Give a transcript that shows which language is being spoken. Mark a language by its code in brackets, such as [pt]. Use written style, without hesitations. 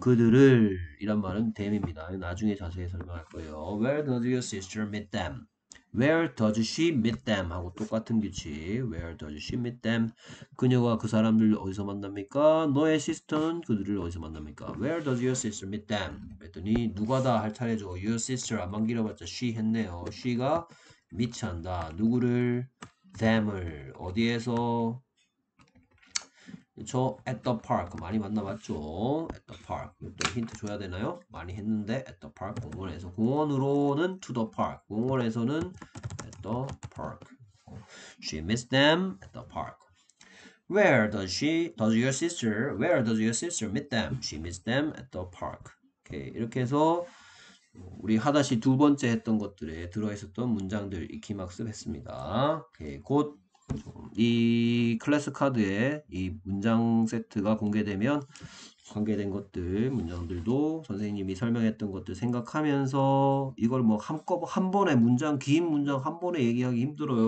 [ko] 그들을 이란 말은 댐입니다. 나중에 자세히 설명할 거예요. [en] Where does your sister meet them? Where does she meet them? [ko] 하고 똑같은 규칙. [en] Where does she meet them? [ko] 그녀가 그 사람들을 어디서 만납니까? 너의 시스터는 그들을 어디서 만납니까? [en] Where does your sister meet them? [ko] 그랬더니 누가다 할 차례죠. Your sister 안 만기려봤자 she 했네요. [en] She가 meet [ko] 한다. 누구를? [en] Them을. [ko] 어디에서? 그쵸? [en] At the park. [ko] 많이 만나봤죠? [en] At the park. [ko] 또 힌트 줘야 되나요? 많이 했는데, [en] at the park. [ko] 공원에서. 공원으로는 [en] to the park. [ko] 공원에서는 [en] at the park. She missed them at the park. Where does she, does your sister, where does your sister meet them? She missed them at the park. Okay. [ko] 이렇게 해서 우리 하다시 두 번째 했던 것들에 들어있었던 문장들 익히 학습했습니다. [en] Okay. [ko] 곧이 클래스 카드에 이 문장 세트가 공개되면 관계된 것들, 문장들도 선생님이 설명했던 것들 생각하면서 이걸 뭐 한 번에 문장, 긴 문장 한 번에 얘기하기 힘들어요.